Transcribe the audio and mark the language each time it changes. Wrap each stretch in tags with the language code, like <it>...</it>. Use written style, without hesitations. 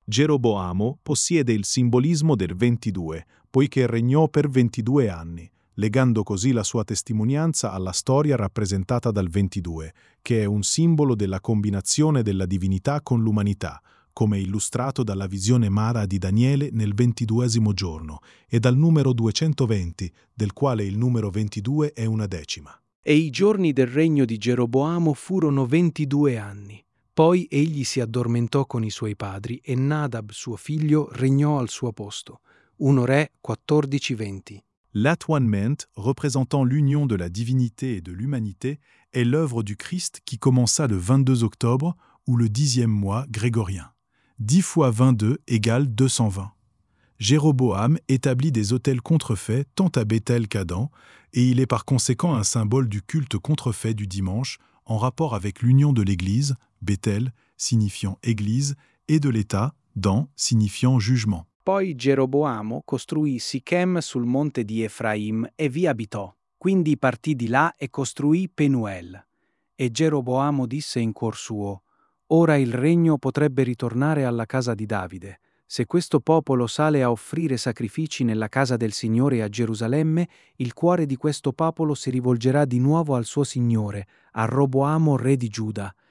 <it>Geroboamo possiede il simbolismo del 22, poiché regnò per 22 anni, legando così la sua testimonianza alla storia rappresentata dal 22, che è un simbolo della combinazione della divinità con l'umanità, come illustrato dalla visione mara di Daniele nel 22esimo giorno e dal numero 220, del quale il numero 22 è una decima. E i giorni del regno di Geroboamo furono 22 anni. Poi egli si addormentò con i suoi padri e Nadab, suo figlio, regnò al suo posto. 1 Re 14:20.</it> <fr>L'atoinement, représentant l'union de la divinité et de l'humanité, est l'œuvre du Christ qui commença le 22 octobre ou le 10e mois grégorien. 10 fois 22 égale 220. Jéroboam établit des autels contrefaits tant à Bethel qu'à Dan, et il est par conséquent un symbole du culte contrefait du dimanche en rapport avec l'union de l'Église, Bethel, signifiant Église, et de l'État, Dan, signifiant jugement.</fr> <it>Poi Geroboamo costruì Sichem sul monte di Efraim e vi abitò. Quindi partì di là e costruì Penuel. E Geroboamo disse in cuor suo: Ora il regno potrebbe ritornare alla casa di Davide. Se questo popolo sale a offrire sacrifici nella casa del Signore a Gerusalemme, il cuore di questo popolo si rivolgerà di nuovo al suo Signore, a Roboamo, re di Giuda.</it>